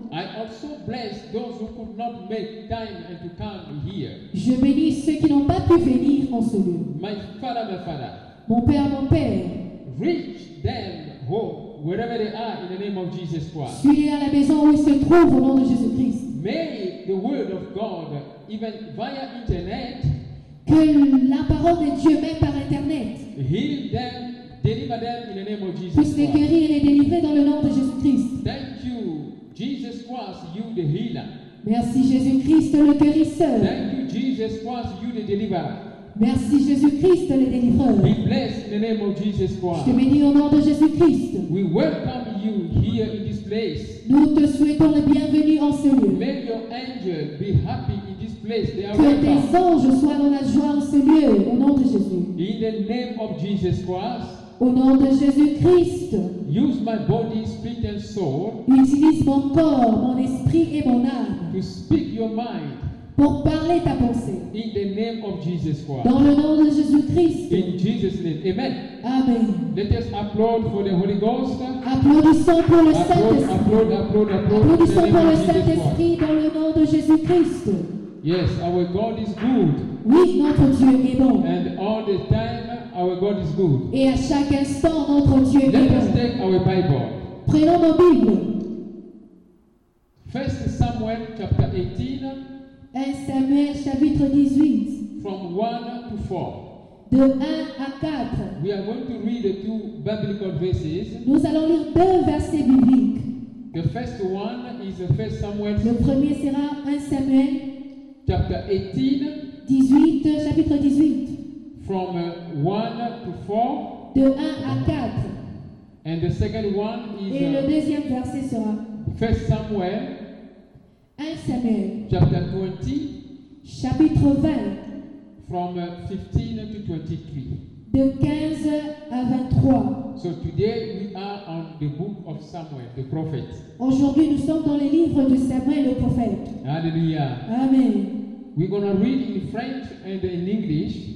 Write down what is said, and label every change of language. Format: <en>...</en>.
<en>I also bless those who could not make time and to come here.</en> <fr>Je bénis ceux qui n'ont pas pu venir en ce lieu.</fr> <en>My father,</en> <fr>mon père,</fr> <en>reach them home wherever they are in the name of Jesus Christ.</en> <fr>Suis-les à la maison où ils se trouvent au nom de Jésus Christ.</fr> <en>May the word of God, even via internet,</en> <fr>que la parole de Dieu même par internet,</fr> <en>heal them, deliver them in the name of Jesus</en> <fr>Puisse les guérir et les délivrer dans le nom de Jésus Christ.</fr> <en>Thank you. Jesus Christ, you the healer.</en> <fr>Merci Jésus Christ, le guérisseur.</fr> <en>Thank you, Jesus Christ, you the deliverer.</en> <fr>Merci Jésus Christ, le délivreur.</fr> <en>Be blessed in the name of Jesus Christ.</en> <fr>Je te bénis au nom de Jésus Christ.</fr> <en>We welcome you here in this place.</en> <fr>Nous te souhaitons la bienvenue en ce lieu.</fr> <en>May your angels be happy in this place. They are</en> <fr>que</fr> <en>welcome.</en> <fr>Tes anges soient dans la joie en ce lieu, au nom de Jésus.</fr> <en>In the name of Jesus Christ.</en> <fr>Au nom de Jésus Christ.</fr> <en>Use my body, spirit and soul.</en> <fr>Utilise mon corps, mon esprit et mon âme.</fr> <en>To speak your mind.</en> <fr>Pour parler ta pensée.</fr> <en>In the name of Jesus Christ.</en> <fr>Dans le nom de Jésus Christ.</fr> <en>In Jesus' name. Amen. Amen. Let us applaud for the Holy Ghost.</en> <fr>Applaudissons pour le Saint-Esprit.</fr> <en>Applaud, applaud, applaud.</en> <fr>Applaudissons pour le Saint-Esprit dans le nom de Jésus Christ.</fr> <en>Yes, our God is good.</en> <fr>Oui, notre Dieu est bon.</fr> <en>And all the time our God is good.</en> <fr>Et à chaque instant, notre Dieu est bon.</fr> <en>Let us take our Bible.</en> <fr>Prenons nos Bibles.</fr> <en>1 Samuel chapter 18.</en> <fr>1 Samuel chapitre 18.</fr> <en>From 1 to 4.</en> <fr>De 1 à 4.</fr> <en>We are going to read the two biblical verses.</en> <fr>Nous allons lire deux versets bibliques.</fr> <en>The first one is 1 Samuel.</en> <fr>Le premier sera 1 Samuel</fr> <en>chapter 18.</en> <fr>18, chapitre 18.</fr> <en>From 1 to 4.</en> <fr>De 1 à 4.</fr> <en>And the second one is.</en> <fr>Et le deuxième verset sera. 1 Samuel. 1 Samuel.</fr> <en>Chapter 20.</en> <fr>Chapitre 20.</fr> <en>From 15 to 23.</en> <fr>De 15 à 23.</fr> <en>So today we are on the book of Samuel, the prophet.</en> <fr>Aujourd'hui nous sommes dans les livres de Samuel, le prophète. Alléluia. Amen.</fr> <en>We're going to read in French and in English.</en>